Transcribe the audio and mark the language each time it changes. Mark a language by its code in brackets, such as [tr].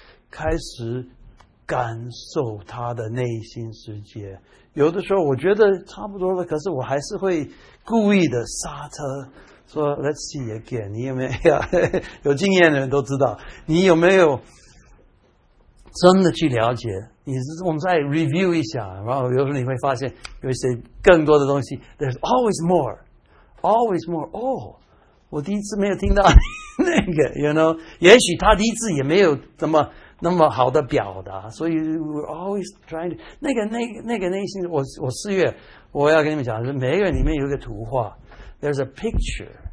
[zh] 开始感受他的内心世界，有的时候我觉得差不多了，可是我还是会故意的刹车，说 [en] "Let's see again"。 [zh] 你有没有有经验的人都知道，你有没有真的去了解？你我们再 review 一下，然后有时候你会发现有一些更多的东西。 [en] There's always more, always more. Oh. [zh] 我第一次没有听到那个 ，you know， 也许他第一次也没有怎么那么好的表达，所以 [en] we're always trying to [zh] 那个内心，我四月我要跟你们讲，是每个人里面有一个图画 ， [en] there's a picture，